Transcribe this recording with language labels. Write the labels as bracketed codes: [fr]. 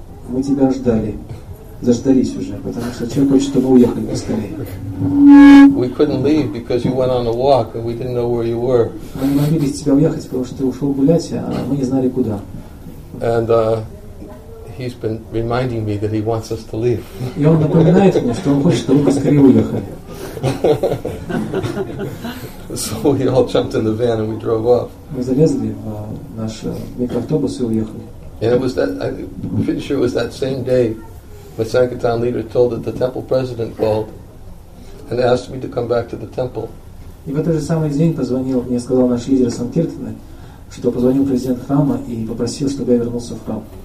[ru] Мы тебя ждали, заждались уже, потому что человек хочет, чтобы мы уехали поскорее. [en] We couldn't leave because you went on a walk and we didn't know where you were. [ru] Мы не могли без тебя уехать, потому что ты ушел гулять, а мы не знали куда. [en] And he's been reminding me that he wants us to leave. [ru] И он напоминает мне, что он хочет, чтобы мы поскорее уехали. [en] So we all jumped in the van and we drove off. [ru] Мы залезли в наш микроавтобус и уехали. [en] And it was that, I'm pretty sure it was that same day when Sankirtan leader told that the temple president called and asked me to come back to the temple. [ru] И в этот же самый день позвонил, мне сказал наш лидер Санкиртаны, что позвонил президент храма и попросил, чтобы я вернулся в храм.